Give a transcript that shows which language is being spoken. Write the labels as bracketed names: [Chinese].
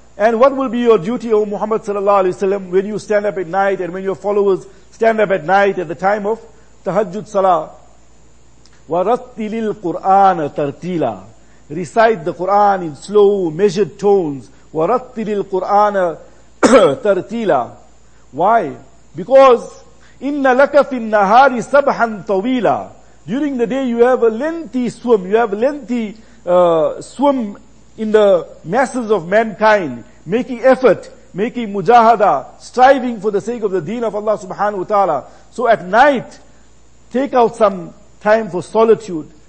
[English] And what will be your duty, O Muhammad sallallahu alayhi wa sallam, when you stand up at night and when your followers stand up at night at the time of tahajjud salah? [Arabic] وَرَتِّلِ الْقُرْآنَ تَرْتِيلًا. [English] Recite the Qur'an in slow, measured tones. [Arabic] وَرَتِّلِ الْقُرْآنَ تَرْتِيلًا. [English] Why? Because [Arabic] إِنَّ لَكَ فِي النَّهَارِ سَبْحًا طَوِيلًا. [English] During the day you have a lengthy swim. You have a lengthy swim in the masses of mankind, making effort, making mujahada, striving for the sake of the deen of Allah subhanahu wa ta'ala. So at night, take out some time for solitude.